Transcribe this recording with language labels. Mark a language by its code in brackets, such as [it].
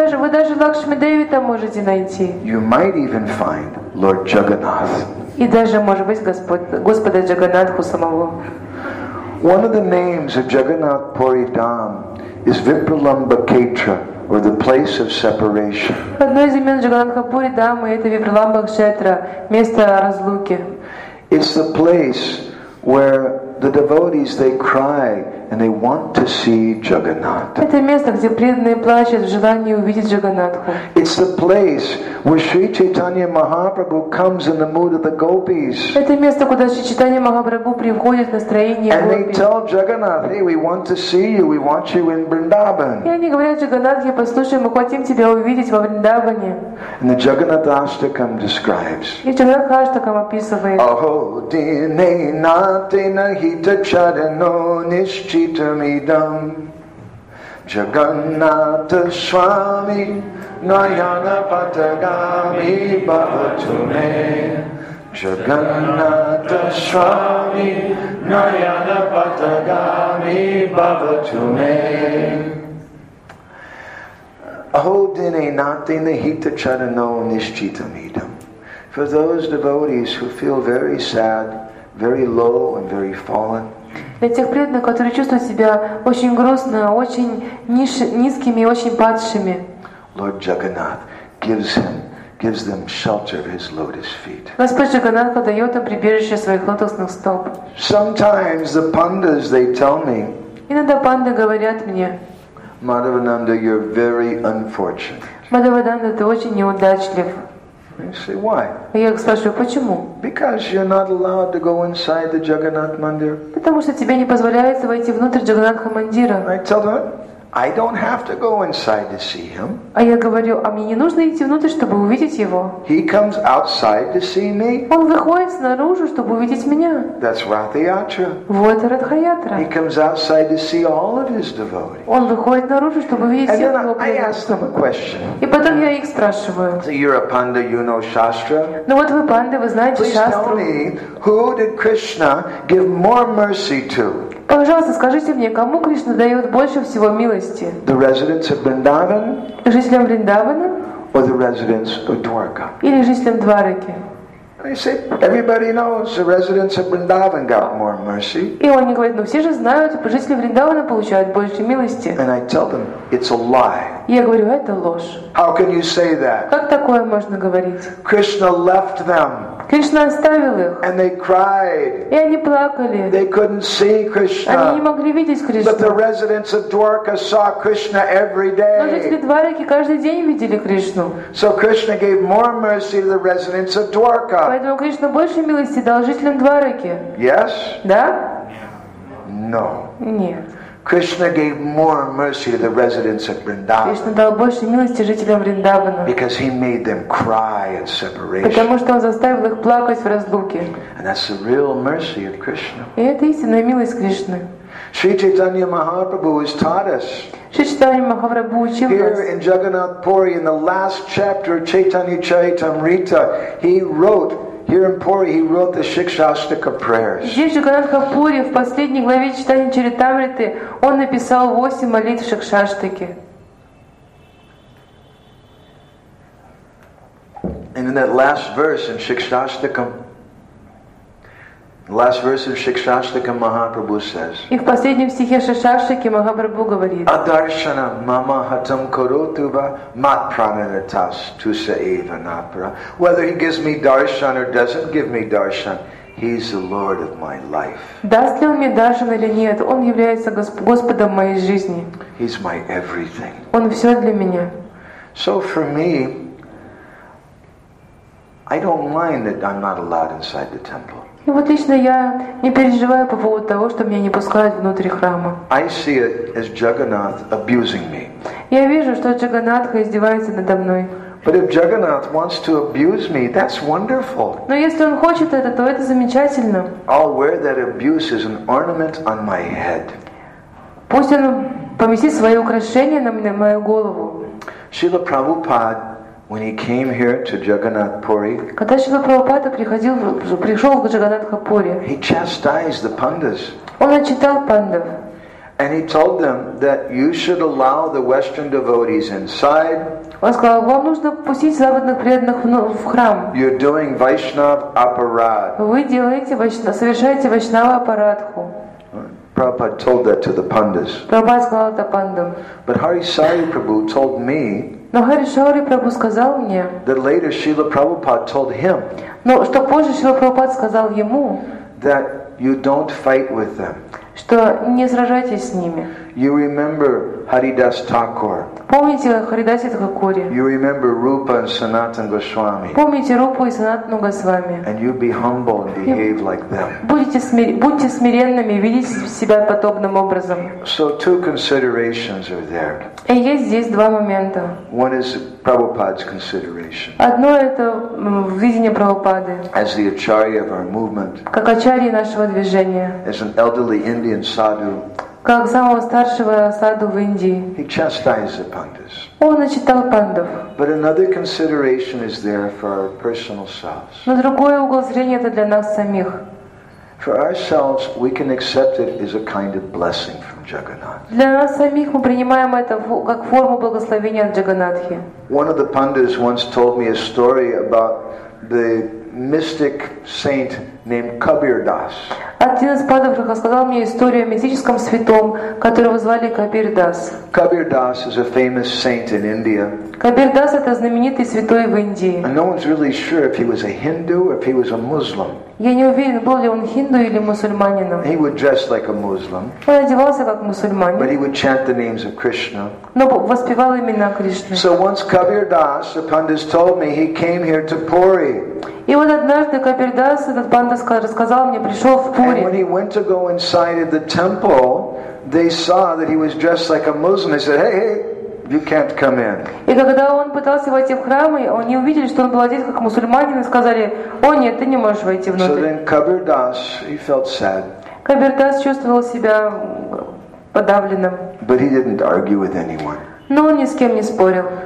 [ru] Вы даже Лакшми Деви там можете найти. [en] You might even find Lord Jagannath. [ru] И даже, может быть, Господа Джаганнатху самого. [en] One of the names of Jagannath Puri Dham is Vipralambakshetra, or the place of separation. [ru] Одно из имен Джаганнатха Пури Дхамы — это Випралламбакшетра, место разлуки. [en] It's the place where the devotees, they cry and they want to see Jagannath. [ru] Это место, где преданные плачут в желании увидеть Джаганнатху. [en] It's the place where Sri Chaitanya Mahaprabhu comes in the mood of the gopis. [ru] Это место, куда Шри Чайтанья Махапрабху приходит в настроение гопи. [en] And they tell Jagannath, hey, we want to see you, we want you in Vrindavan. [ru] И они говорят Джаганнатхе, послушай, мы хотим тебя увидеть во Вриндаване. [en] And the Jagannath Ashtakam describes. [ru] И Джаганнатха Аштакам описывает. [sa] Aho dine nate nahita chadano nish Chitamidam Jagannatha Swami Nayana Patagami Bhavatume Jagannatha Swami Nayana Patagami Bhavatume Aho Dine Nati Nahita Charano Nishchitamidam. [en] For those devotees who feel very sad, very low and very fallen, [ru] для тех преданных, которые чувствуют себя очень грустно, очень низкими и очень падшими. [en] Lord Jagannath gives them shelter of his lotus feet. [ru] Господь Джаганнат подает им прибежище своих лотосных стоп. [en] Sometimes the pandas, they tell me. [ru] Иногда панды говорят мне. [en] Madhavananda, you're very unfortunate. [ru] Madhavananda, ты очень неудачлив. [en] You say, why? [ru] Я спрашиваю, почему? [en] Because you're not allowed to go inside the Jagannath Mandir. [ru] Потому что тебе не позволяется войти внутрь Джаганнатха Мандира. [en] I tell them, I don't have to go inside to see him. [ru] А я говорю, а мне не нужно идти внутрь, чтобы увидеть его. [en] He comes outside to see me. [ru] Он выходит снаружи, чтобы увидеть меня. [en] That's Ratha-yatra. [ru] Вот Ратха-ятра. [en] He comes outside to see all of his devotees. [ru] Он выходит наружу, чтобы увидеть всех его преданных. [en] I ask them a question. [ru] И потом я их спрашиваю. [en] So you're a panda, you know shastra. [ru] Ну вот вы панда, вы знаете шастру. [en] Please tell me, who did Krishna give more mercy to? [ru] Пожалуйста, скажите мне, кому Кришна дает больше всего милости? [en] The residents of Vrindavan? [ru] Жителям Вриндавана? [en] Or the residents of Dwarka? [ru] Или жителям Двараки? [en] They say, everybody knows the residents of Vrindavan got more mercy. [ru] И он мне говорит, ну все же знают, что жители Вриндавана получают больше милости. [en] And I tell them, it's a lie. [ru] Я говорю, это ложь. [en] How can you say that? [ru] Как такое можно говорить? [en] Krishna left them. [ru] Кришна оставил их. [en] And they cried. [ru] И они плакали. [en] They couldn't see Krishna. [ru] Они не могли видеть Кришну. [en] But the residents of Dwarka saw Krishna every day. [ru] Но жители Двараки каждый день видели Кришну. [en] So Krishna gave more mercy to the residents of Dwarka. [ru] Поэтому Кришна больше милости дал жителям Двараки. [en] Yes? [ru] Да? [en] No. [ru] Нет. [en] Krishna gave more mercy to the residents of Vrindavan. [ru] Кришна дал больше милости жителям Вриндавана. [en] Because he made them cry at separation. [ru] Потому что он заставил их плакать в разлуке. [en] And that's the real mercy of Krishna. [ru] И это истинная милость Кришны. [en] Sri Chaitanya Mahaprabhu has taught us. [ru] Sri Chaitanya Mahaprabhu учил нас. [en] Here in Jagannath Puri, in the last chapter of Chaitanya Charitamrita, he wrote. Here in Puri, he wrote the Shikshastaka prayers. [ru] Здесь же Джаганнатха Пури в последней главе читания Чаритамриты он написал 8 молитв Шикшаштаки. [en] And in that last verse in Shikshastakam, the last verse of Shikshastakam, Mahaprabhu says. [ru] И в последнем стихе Шикшаштаки Махапрабху говорит. [sa] Adarshana mama hatam korotuva mat pranatas tusa eva napra. [en] Whether he gives me darshan or doesn't give me darshan, he's the Lord of my life. [ru] Даст ли он мне даршан или нет, он является Господом моей жизни. [en] He's my everything. [ru] Он все для меня. [en] So for me, I don't mind that I'm not allowed inside the temple. [ru] И вот лично я не переживаю по поводу того, что меня не пускают внутрь храма. [en] I see it as Jagannath abusing me. [ru] Я вижу, что Джаганнатха издевается надо мной. [en] But if Jagannath wants to abuse me, that's wonderful. [ru] Но если он хочет это, то это замечательно. [en] I'll wear that abuse as an ornament on my head. [ru] Пусть он поместит свои украшения на мне, мою голову. [en] Srila Prabhupada, when he came here to Jagannath Puri, [ru] когда Шрила Прабхупада приходил, пришел к Джаганнатхапури, [en] he chastised the pandas. [ru] Он отчитал пандов. [en] And he told them that you should allow the Western devotees inside. [ru] Он сказал, вам нужно пустить западных преданных в храм. [en] You're doing Vaishnav aparad. [ru] Вы делаете совершаете Vaishnav aparadhu. [en] Prabhupada told that to the pandas. [ru] Prabhupada сказал это пандам. [en] But Hari Sai Prabhu told me. [ru] Но Хари Шаури Прабху сказал мне. [en] That later Srila Prabhupada told him. [ru] Но что позже Шрила Прабхупада сказал ему. [en] That you don't fight with them. [ru] Что не сражайтесь с ними. [en] You remember Haridas Thakur. [ru] Помните Харидаса Тхакури. [en] You remember Rupa and Sanatana Goswami. [ru] Помните Рупу и Санатану Госвами. [en] And you be humble and behave like them. [ru] Будьте смиренными, ведите себя подобным образом. [en] So two considerations are there. [ru] И есть здесь два момента. [en] One is Prabhupada's consideration. [ru] Одно это видение Прабхупады. [en] As the acharya of our movement. [ru] Как ачарьи нашего движения. [en] As an elderly Indian sadhu. [ru] Как самого старшего саду в Индии. [en] He chastised the pandas. [ru] Он отчитал пандов. [en] But another consideration is there for our personal selves. [ru] Но другой угол зрения это для нас самих. [en] For ourselves, we can accept it as a kind of blessing from Jagannath. [ru] Для нас самих мы принимаем это как форму благословения от Джаганатхи. [en] One of the pandas once told me a story about the mystic saint named Kabir Das. [ru] Один из пандов рассказал мне историю о мистическом святом, которого звали Кабир Дас. [en] Kabir Das is a famous saint in India. [ru] Кабир Дас это знаменитый святой в Индии. [en] And no one's really sure if he was a Hindu or if he was a Muslim. [ru] Я не уверен, был ли он хинду или мусульманином. [en] He would dress like a Muslim. [ru] Он одевался как мусульманин. [en] But he would chant the names of Krishna. [ru] Но воспевал имена Кришны. [en] So once Kabir Das, the pandas told me, he came here to Puri. [ru] И вот однажды Кабир Дас, этот панда рассказал мне, пришел в Пури. [en] And when he went to go inside of the temple, they saw that he was dressed like a Muslim. They said, hey, you can't come in. [ru] И когда он пытался войти в храм, они увидели, что он был одет как мусульманин, и сказали, о нет, ты не можешь войти внутрь. [en] So then Kabir Das, he felt sad. [ru] Кабир Дас чувствовал себя подавленным. [en] But he didn't argue with anyone. [ru] Но он ни с кем не спорил.